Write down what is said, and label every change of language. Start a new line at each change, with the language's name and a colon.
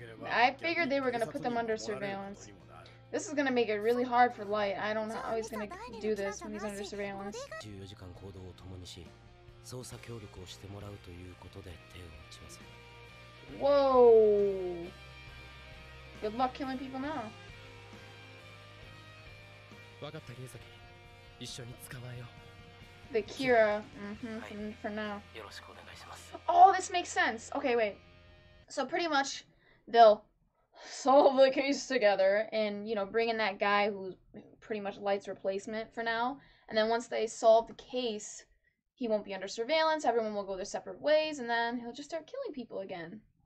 English: I figured they were going to put them under surveillance. This is going to make it really hard for Light. I don't know how he's going to do this when he's under surveillance.
Japanese: 14 時間 行動 を 共にし 捜査 協力 を して もらう ということ で 手を打ちます。
English: Whoa! Good luck killing people now.
Japanese: 分かった、龍崎。一緒に捕まえよう。
English: The Kira, mm-hmm, for now.
Japanese: よろしくお願いします。
English: Oh, this makes sense! Okay, wait. So pretty much, they'll solve the case together and, you know, bring in that guy who's pretty much Light's replacement for now. And then once they solve the case, he won't be under surveillance, everyone will go their separate ways, and then he'll just start killing people again.